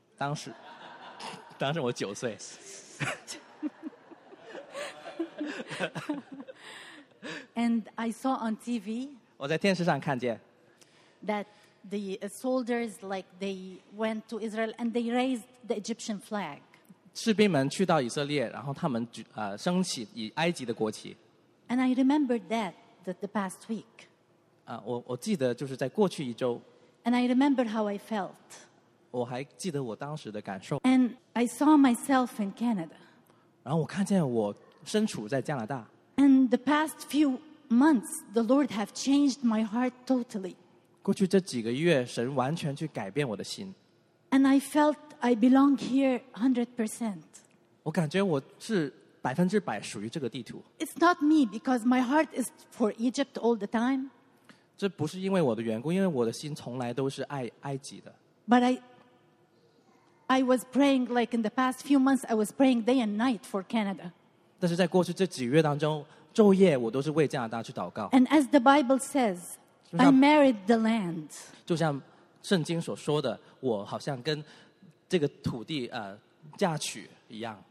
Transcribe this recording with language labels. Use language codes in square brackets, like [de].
[zh] 当时。当时我9岁。 [en] And I saw on TV [zh] 我在电视上看见 [en] that the soldiers, like, they went to Israel and they raised the Egyptian flag. [zh] 士兵们去到以色列, 然后他们举, 升起以埃及的国旗。 [en] And I remembered that the past week. [zh] 我记得就是在过去一周。 [en] And I remembered how I felt. [zh] 我还记得我当时的感受。 [en] And I saw myself in Canada. [zh] 然后我看见我身处在加拿大。 [en] And the past few months, the Lord have changed my heart totally. [zh] 过去这几个月，神完全去改变我的心。 [en] And I felt I belong here 100%. [zh] 我感觉我是100%属于这个地图。 [en] It's not me, because my heart is for Egypt all the time. [zh] 这不是因为我的缘故，因为我的心从来都是爱埃及的。 [en] But I was praying, like, in the past few months, I was praying day and night for Canada. [zh] 但是在过去这几月当中，昼夜我都是为加拿大去祷告。 [en] And as the Bible says, I married the land. [zh] 就像圣经所说的，我好像跟这个土地 嫁娶一样。